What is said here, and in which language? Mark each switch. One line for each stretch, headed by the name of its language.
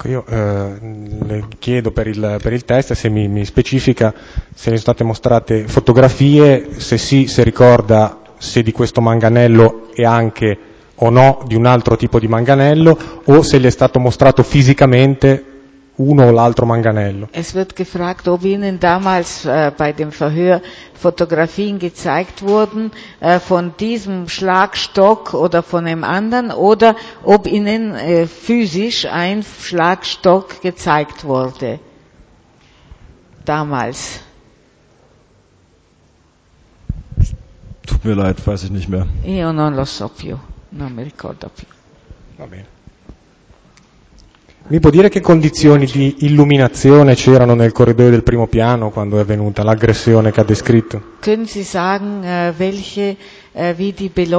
Italian: Ecco, io le chiedo per il test se mi specifica se le sono state mostrate fotografie, se sì, se ricorda se di questo manganello e anche o no di un altro tipo di manganello, o se gli è stato mostrato fisicamente uno o l'altro manganello.
German: Es wird gefragt, ob Ihnen damals bei dem Verhör Fotografien gezeigt wurden von diesem Schlagstock oder von einem anderen, oder ob Ihnen physisch ein Schlagstock gezeigt wurde. Damals. Tut mir leid, weiß ich nicht mehr.
Italian: Io non lo so più, non mi ricordo più. Va bene. Mi può dire che condizioni di illuminazione c'erano nel corridoio del primo piano quando è avvenuta l'aggressione che ha descritto?
German: Können Sie sagen, welche, wie die Beleuchtung